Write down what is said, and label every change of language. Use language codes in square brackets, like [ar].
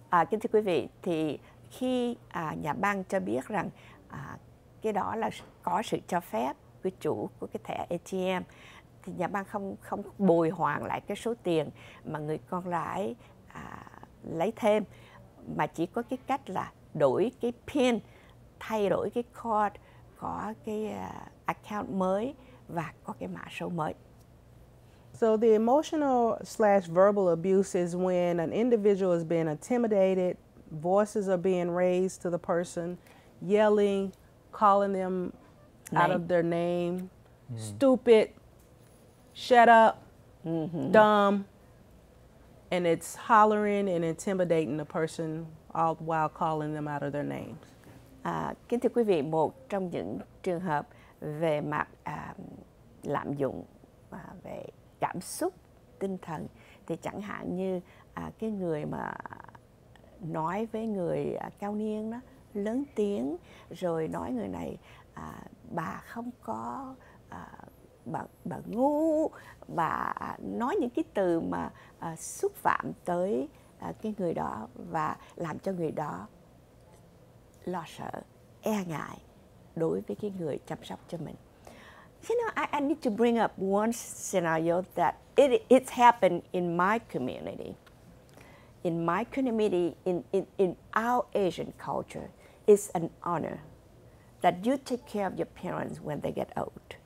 [vi] Kính thưa quý vị, thì khi nhà băng cho biết rằng cái đó là có sự cho phép của chủ của cái thẻ ATM, thì nhà băng không bồi hoàn lại cái số tiền mà người con lãi lấy thêm, mà chỉ có cái cách là đổi cái pin, thay đổi cái card, có cái account mới và có cái mã số mới. [en] So the emotional slash verbal abuse is when an individual is being intimidated, voices are being raised to the person, yelling, calling them out of their name, stupid, shut up, dumb. And it's hollering and intimidating the person all while calling them out of their names. [vi] Kính thưa quý vị, một trong những trường hợp về mặt lạm dụng về cảm xúc, tinh thần, thì chẳng hạn như cái người mà nói với người cao niên đó, lớn tiếng, rồi nói người này, bà không có, bà ngu, bà nói những cái từ mà xúc phạm tới cái người đó và làm cho người đó lo sợ, e ngại đối với cái người chăm sóc cho mình. [en] You know, I need to bring up one scenario that it's happened in my community. In my community, in our Asian culture, it's an honor that you take care of your parents when they get old.